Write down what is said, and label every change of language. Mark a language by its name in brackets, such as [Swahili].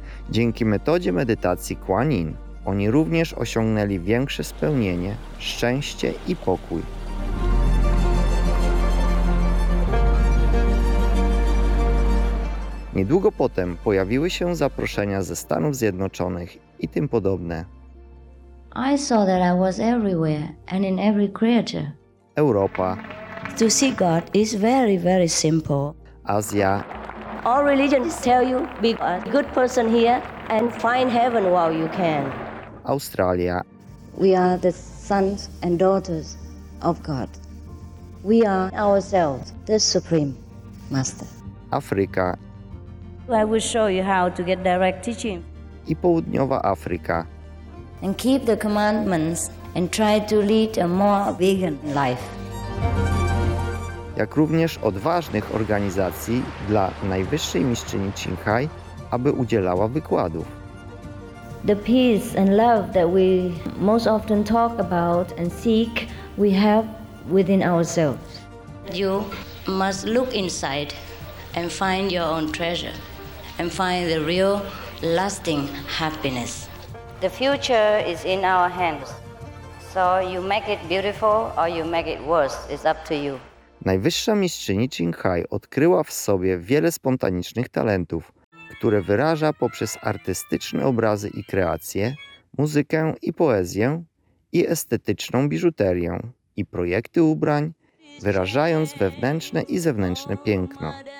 [Polish] Dzięki metodzie medytacji Kuan Yin oni również osiągnęli większe spełnienie, szczęście i pokój. Niedługo potem pojawiły się zaproszenia ze Stanów Zjednoczonych i tym podobne. [English] I saw that I was everywhere and in every creature. [Polish] Europa. [English] To see God is very, very simple. [Polish] Azja. [English] All religions tell you be a good person here and find heaven while you can. [Polish] Australia. [English] We are the sons and daughters of God. We are ourselves the Supreme Master. [Polish] Afryka. [English] I will show you how to get direct teaching. [Polish] I południowa Afryka. [English] And keep the commandments and try to lead a more vegan life. [Polish] Jak również odważnych organizacji dla najwyższej mistrzyni Ching Hai, aby udzielała wykładów. [English] The peace and love that we most often talk about and seek, we have within ourselves. You must look inside and find your own treasure and find the real lasting happiness. The future is in our hands. So you make it beautiful or you make it worse. It's up to you. [Polish] Najwyższa mistrzyni Qinghai odkryła w sobie wiele spontanicznych talentów, które wyraża poprzez artystyczne obrazy i kreacje, muzykę i poezję, i estetyczną biżuterię, i projekty ubrań, wyrażając wewnętrzne i zewnętrzne piękno.